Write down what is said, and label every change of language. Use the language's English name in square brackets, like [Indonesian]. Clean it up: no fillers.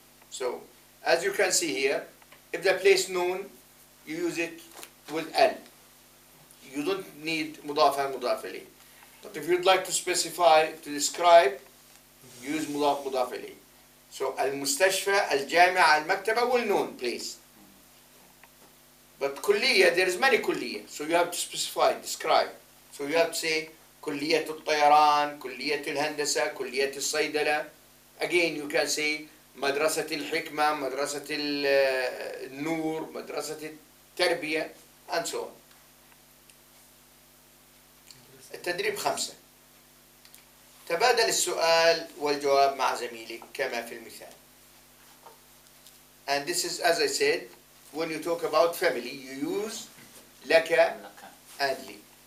[English] So, as you can see here, if the place known, you use it with al. You don't need مضافة مضافة لي. But if you'd like to specify, to describe, use مضاف مضافة لي. So, المستشفى, الجامعة, المكتبة, والنون, place. But كلية, there is many كلية. So you have to specify, describe. So you have to say [Arabic] كلية الطيران, كلية الهندسة, كلية الصيدلة. [English] Again, you can say مدرسة الحكمة, مدرسة النور, مدرسة التربية, and so on. [Arabic] التدريب 5. تبادل السؤال والجواب مع زميلك كما في المثال. [English] And this is, as I said, when you talk about family, you use لك and لي.